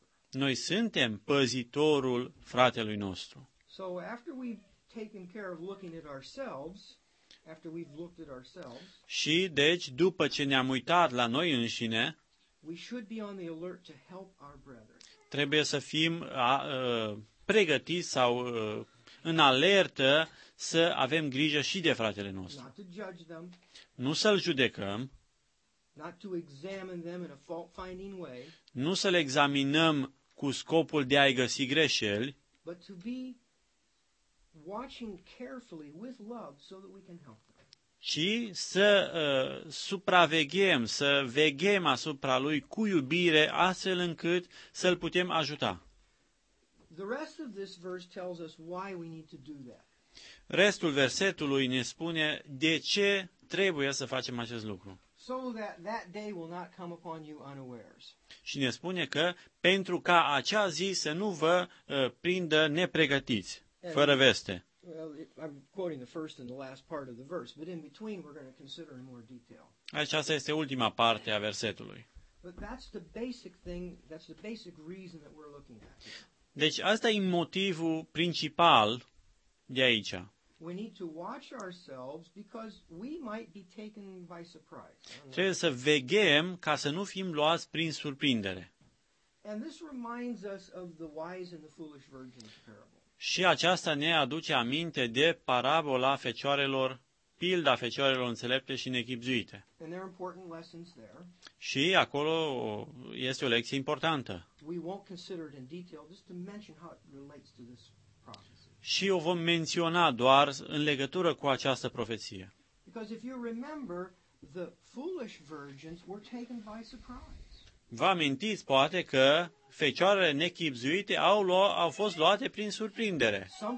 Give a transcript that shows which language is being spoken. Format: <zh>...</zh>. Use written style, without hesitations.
<ro>Noi suntem păzitorul fratelui nostru.</ro> <en>So after we've taken care of looking at ourselves, after we've looked at ourselves,</en> <ro>și deci după ce ne-am uitat la noi înșine,</ro> <en>we should be on the alert to help our brethren.</en> <ro>Trebuie să fim pregătiți sau în alertă să avem grijă și de fratele nostru.</ro> <en>Not to judge them,</en> <ro>nu să-l judecăm,</ro> <en>not to examine them in a fault-finding way,</en> <ro>nu să-l examinăm cu scopul de a-i găsi greșeli,</ro> <en>but to be watching carefully with love so that we can help them.</en> <ro>Ci să supraveghem, să veghem asupra lui cu iubire, astfel încât să-l putem ajuta.</ro> <en>The rest of this verse tells us why we need to do that.</en> <ro>Restul versetului ne spune de ce trebuie să facem acest lucru.</ro> <en>So that that day will not come upon you unawares.</en> <ro>Și ne spune că pentru ca acea zi să nu vă prindă nepregătiți, fără veste.</ro> <en>Well, I'm quoting the first and the last part of the verse, but in between we're going to consider in more detail.</en> <ro>Aceasta este ultima parte a versetului.</ro> <en>But that's the basic thing, that's the basic reason that we're looking at.</en> <ro>Deci asta e motivul principal de aici.</ro> <en>We need to watch ourselves because we might be taken by surprise.</en> <ro>Trebuie să veghem ca să nu fim luați prin surprindere.</ro> <en>And this reminds us of the wise and the foolish virgin's parable.</en> <ro>Și aceasta ne aduce aminte de parabola fecioarelor, pilda fecioarelor înțelepte și nechipzuite.</ro> <en>And there are important lessons there.</en> <ro>Și acolo este o lecție importantă.</ro> <en>We won't consider it in detail, just to mention how it relates to this prophecy.</en> <ro>Și o vom menționa doar în legătură cu această profeție.</ro> <en>Because if you remember, the foolish virgins were taken by surprise.</en> <ro>Vă amintiți, poate, că fecioarele nechipzuite au fost luate prin surprindere.</ro>